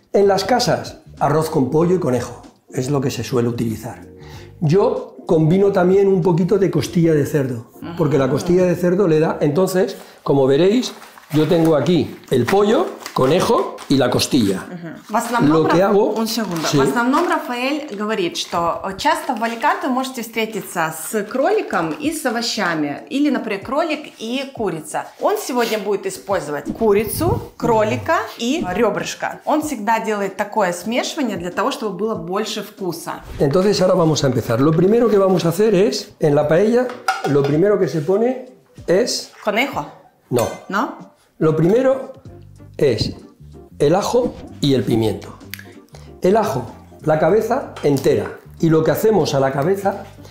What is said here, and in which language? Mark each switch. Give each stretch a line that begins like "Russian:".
Spanish: En las casas, arroz con pollo y conejo, es lo que se suele utilizar. Yo combino también un poquito de costilla de cerdo, porque la costilla de cerdo le da, entonces, como veréis, yo tengo aquí el pollo, conejo y la costilla.
Russian: В основном,
Spanish: lo que hago... Un segundo. Sí.
Russian: В основном Рафаэль говорит, что часто в Аликанте можете встретиться с кроликом и с овощами. Или, например, кролик и курица. Он сегодня будет использовать курицу, кролика и ребрышко. Он всегда делает такое смешивание для того, чтобы было больше вкуса.
Spanish: Entonces, ahora vamos a empezar. Lo primero que vamos a hacer es, en la paella, lo primero que se pone es... Conejo. No. No. Lo primero es el ajo y el pimiento. El ajo, la cabeza entera. Y lo que hacemos a la cabeza